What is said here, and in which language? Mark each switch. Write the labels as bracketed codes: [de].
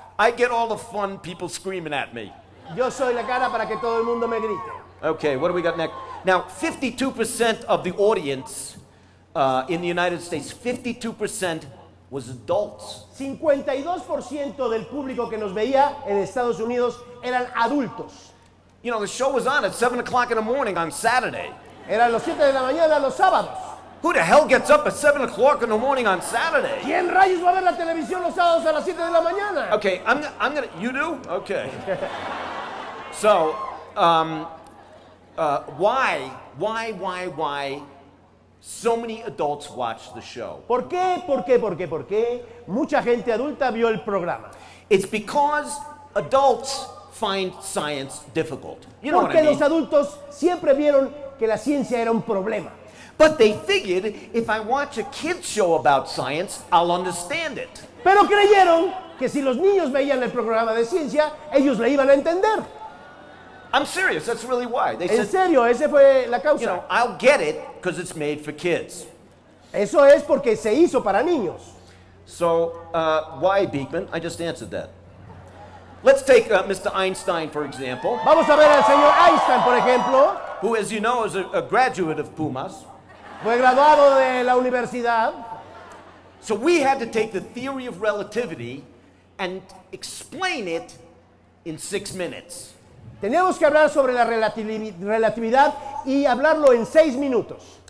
[en] I get all the fun people screaming at me. [es] Yo soy la cara para que todo el mundo me grite. [en] Okay, what do we got next? Now, 52% of the audience in the United States, 52% was adults. [es] 52% del público que nos veía en Estados Unidos eran adultos. [en] You know, the show was on at 7 o'clock in the morning on Saturday. [es] Eran los 7 de la mañana los sábados. [en] Who the hell gets up at 7 o'clock in the morning on Saturday? [es] ¿Quién rayos va a ver la televisión los sábados a las 7 de la mañana? [en] Okay, I'm gonna... You do? Okay. So, why so many adults watched the show? [es] ¿Por qué? ¿Por qué? ¿Por qué? ¿Por qué? Mucha gente adulta vio el programa. [en] It's because adults find science difficult. You know what I mean? [es] Porque los adultos siempre vieron que la ciencia era un problema. [en] But they figured, if I watch a kid's show about science, I'll understand it. [es] Pero creyeron que si los niños veían el programa de ciencia, ellos le iban a entender. [en] I'm serious, that's really why. They [es] ¿En [en] said, [es] serio? Ese fue la causa. [en] You know, I'll get it, because it's made for kids. [es] Eso es porque se hizo para niños. [en] So, why Beakman? I just answered that. Let's take Mr. Einstein, for example. [es] Vamos a ver al señor Einstein, por ejemplo. [en] Who, as you know, is a graduate of Pumas. [es] Fue graduado de la universidad. [en] So we had to take the theory of relativity and explain it in 6 minutes. [es] Teníamos que hablar sobre la relatividad y hablarlo en 6 minutos.